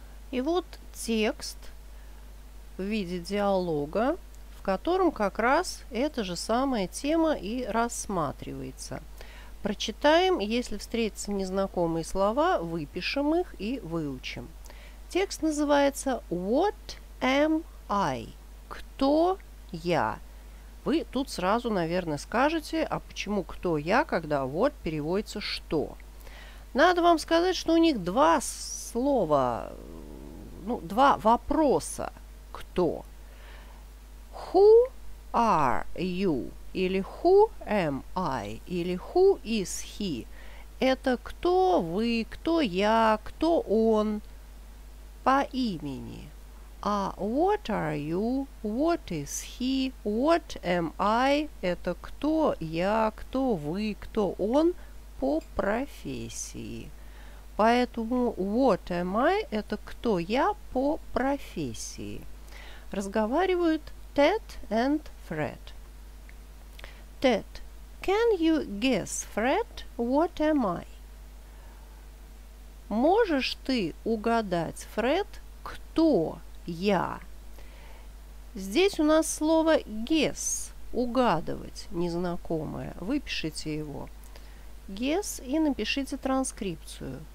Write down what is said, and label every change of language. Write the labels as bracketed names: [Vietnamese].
[Russian] И вот текст в виде диалога, в котором как раз эта же самая тема и рассматривается. Прочитаем, если встретятся незнакомые слова, выпишем их и выучим. Текст называется [English] «What am I?» [Russian] – «Кто я?» Вы тут сразу, наверное, скажете, а почему «кто я», когда «what» переводится «что?». Надо вам сказать, что у них два слова, ну, два вопроса «кто?». [English] «Who are you?» [Russian] или [English] «Who am I?» [Russian] или [English] «Who is he?» [Russian] Это «кто вы?», «кто я?», «кто он?» по имени. А [English] «What are you?», «What is he?», «What am I?» [Russian] это «кто я?», «кто вы?», «кто он?» по профессии. Поэтому [English] «What am I?» [Russian] это «кто я?» по профессии. Разговаривают Тед and Фред. [English] Ted, can you guess, Fred, what am I? [Russian] Можешь ты угадать, Фред, кто я? Здесь у нас слово guess, угадывать, незнакомое. Выпишите его. Guess и напишите транскрипцию.